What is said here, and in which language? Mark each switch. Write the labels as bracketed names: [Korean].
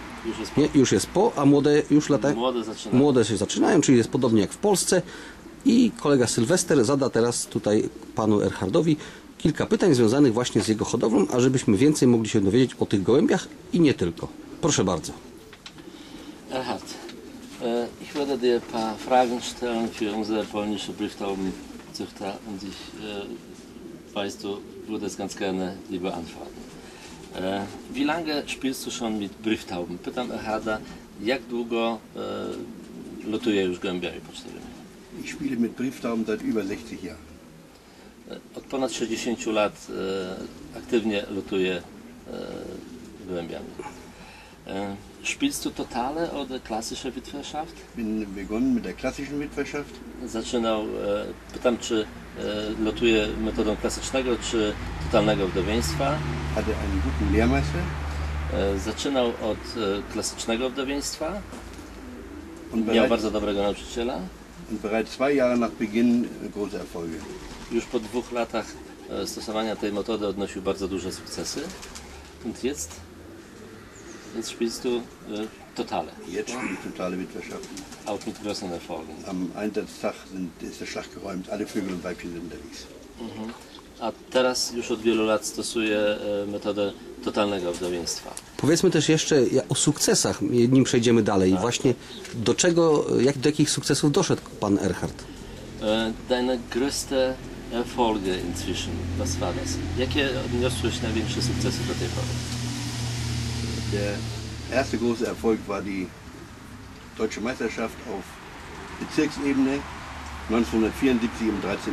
[Polish] Już jest po. Nie, już jest po, a młode już latają? Młode zaczynają. Młode się zaczynają, czyli jest podobnie jak w Polsce. I kolega Sylwester zada teraz tutaj panu Erhardowi kilka pytań związanych właśnie z jego hodowlą, a żebyśmy więcej mogli się dowiedzieć o tych gołębiach i nie tylko. Proszę bardzo. [German] Erhard, ich werde dir ein paar Fragen stellen für unsere polnische Brieftaubenzüchter und ich weiß, du würdest ganz gerne die beantworten. Wie lange spielst du schon mit Brieftauben? [Polish] Pytam Erharda, jak długo lotuje już gołębiami pocztowymi? [German] Ich spiele mit Brieftauben seit über 60 Jahren. [Polish] Od ponad 60 lat aktywnie lotuje gołębiami. [German] Spielst du totale oder klassische Witwerschaft? Bin begonnen mit der klassischen Witwerschaft. [Polish] Zaczynał, pytam, czy lotuje metodą klasycznego, czy totalnego wdowieństwa. [German] Hatte einen guten Lehrmeister. [Polish] Zaczynał od klasycznego wdowieństwa. Miał bardzo dobrego nauczyciela. [German] Und bereits zwei Jahre nach Beginn große Erfolge. [Polish] Już po dwóch latach stosowania tej metody odnosił bardzo duże sukcesy. [German] Und jetzt spielst du totale. Jetzt spiele ich totale Witwerschaft. Auch mit größeren Erfolgen. Am Einsatztag ist der Schlag geräumt, alle Vögel und Weibchen sind unterwegs. [Polish] A teraz już od wielu lat stosuje metodę totalnego wdowieństwa. Powiedzmy też jeszcze o sukcesach, nim przejdziemy dalej. Tak. Właśnie do czego, do jakich sukcesów doszedł pan Erhard? [German] Deine größte Erfolge inzwischen, was war das? [Polish] Jakie odniosłeś największe sukcesy do tej pory? [German] Der erste große Erfolg war die Deutsche Meisterschaft auf Bezirksebene 1974 im 13.